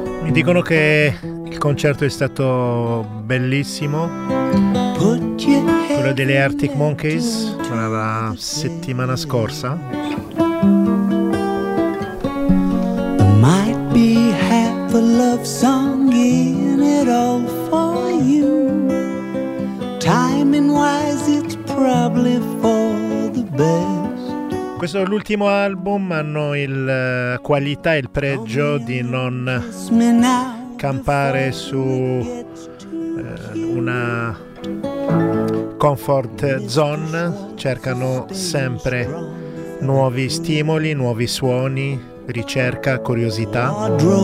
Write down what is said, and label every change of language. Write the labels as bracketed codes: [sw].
[it] Dicono che il concerto è stato bellissimo, quello delle Arctic Monkeys, la settimana scorsa. [en] Might be half a love song in it all for you. Timing wise it's probably for the best. [it] Questo è l'ultimo album, hanno il qualità e il pregio di non campare su una comfort zone, cercano sempre nuovi stimoli, nuovi suoni, ricerca, curiosità.